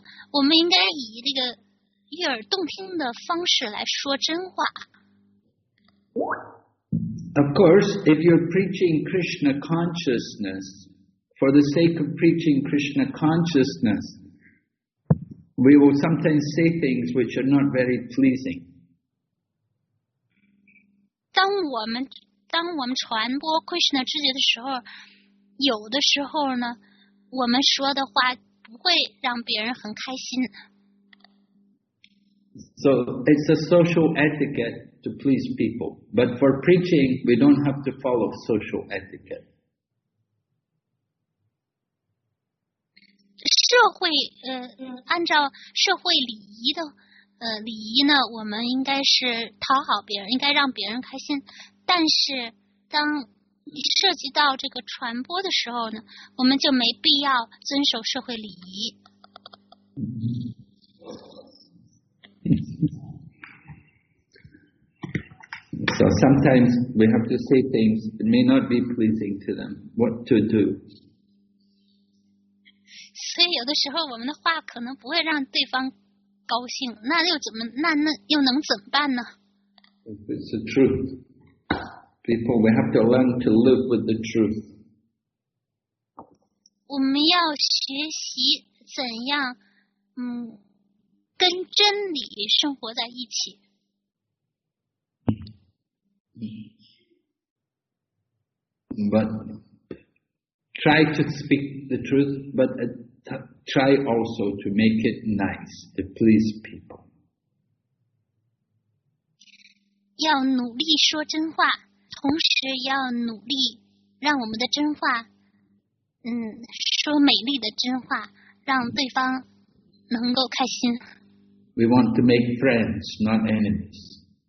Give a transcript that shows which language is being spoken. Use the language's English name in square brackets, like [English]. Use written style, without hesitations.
[Chinese] 我们应该以这个悦耳动听的方式来说真话。 [English] Of course, if you're preaching Krishna consciousness, for the sake of preaching Krishna consciousness, we will sometimes say things which are not very pleasing. [Chinese] 当我们传播 Krishna 知觉的时候，有的时候呢，我们说的话不会让别人很开心。 [English] So it's a social etiquette to please people, but for preaching, we don't have to follow social etiquette. [Chinese] 社会按照社会礼仪的。礼仪呢我们应该是讨好别人应该让别人开心但是当涉及到这个传播的时候呢我们就没必要遵守社会礼仪 [English] So sometimes we have to say things that may not be pleasing to them what to do [Chinese] 所以有的时候我们的话可能不会让对方高兴，那又怎么？那又能怎么办呢 [English] ？If it's the truth, people, we have to learn to live with the truth. [Chinese] 我们要学习怎样，跟真理生活在一起。 [English] But try to speak the truth, but try also to make it nice to please people. [Chinese] 要努力说真话，同时要努力让我们的真话，说美丽的真话，让对方能够开心。 [English] We want to make friends, not enemies.